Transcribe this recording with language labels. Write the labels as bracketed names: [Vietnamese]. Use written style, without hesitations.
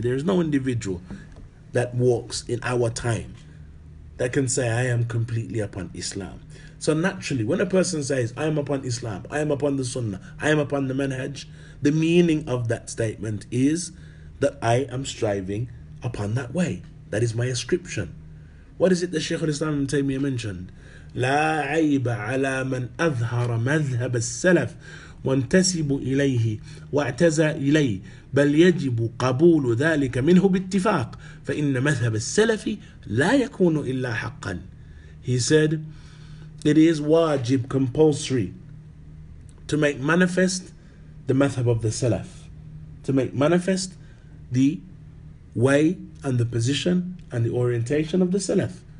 [English] There is no individual that walks in our time that can say, I am completely upon Islam. So naturally, when a person says, I am upon Islam, I am upon the Sunnah, I am upon the manhaj, the meaning of that statement is that I am striving upon that way. That is my ascription. What is it that Shaykh al-Islam Ibn Taymiyyah mentioned? [Arabic] لا عيب على من أظهر مذهب السلف وانتسب إليه واعتزى إليه بل يجب قبول ذلك منه باتفاق فإن مذهب السلف لا يكون إلا حقا. [English] He said, it is wajib, compulsory, to make manifest the madhab of the Salaf, to make manifest the way and the position and the orientation of the Salaf.